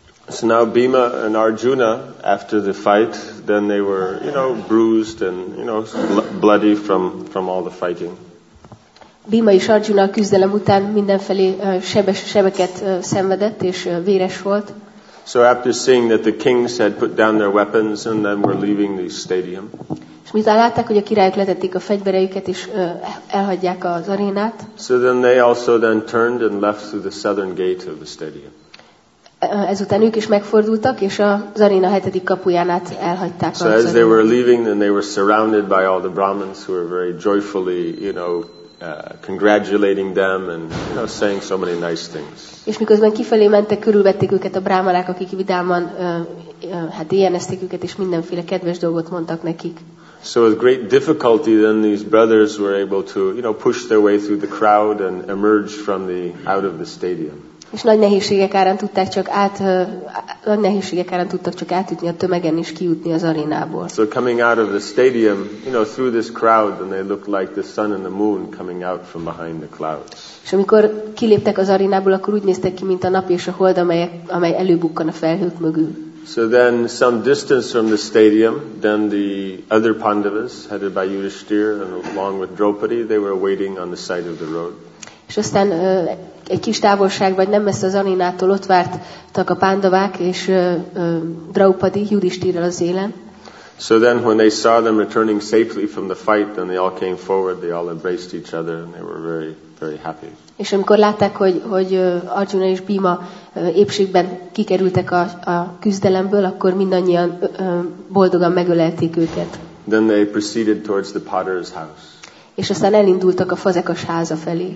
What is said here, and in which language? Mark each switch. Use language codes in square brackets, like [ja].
[en] So now Bhima and Arjuna, after the fight, then they were, you know, bruised and, you know, bloody from all the fighting. [hu] Bhima és Arjuna küzdelem után mindenfelé sebeket szenvedett és véres volt. [en] So after seeing that the kings had put down their weapons and then were leaving the stadium. [hu] És miután látták, hogy a királyok letették a fegyvereiket és elhagyják az arénát. [en] So then they also then turned and left through the southern gate of the stadium. [hu] Ezután ők is megfordultak, és az aréna hetedik kapuján át elhagyták. [en] So as they were leaving, then they were surrounded by all the Brahmins who were very joyfully, you know, congratulating them and, you know, saying so many nice things. [hu] És miközben kifelé mentek, körülvették őket a brahmanák, akik vidáman hát éjjelezték őket, és mindenféle kedves dolgot mondtak nekik. [en] So with great difficulty then these brothers were able to, you know, push their way through the crowd and emerge from the out of the stadium. [hu] És nagy nehézségek árán tudták csak átjutni a tömegen és kijutni az arénából. [en] So coming out of the stadium, you know, through this crowd, and they looked like the sun and the moon coming out from behind the clouds. [hu] És amikor kiléptek az arénából, akkor úgy néztek ki, mint a nap és a hold, amely előbukkan a felhők mögül. [en] So then some distance from the stadium, then the other Pandavas, headed by Yudhishthir and along with Draupadi, they were waiting on the side of the road. [hu] És aztán egy kis távolság, vagy nem messze az arénától ott vártak a Pándavák és Draupadi Yudhishthirrel az élen. [en] So then when they saw them returning safely from the fight, then they all came forward, they all embraced each other, and they were very, very happy. [hu] És amikor látták, hogy Arjuna és Bhima épségben kikerültek a küzdelemből, akkor mindannyian boldogan megölelték őket. [en] Then they proceeded towards the potter's house. [hu] És aztán elindultak a fazekas háza felé.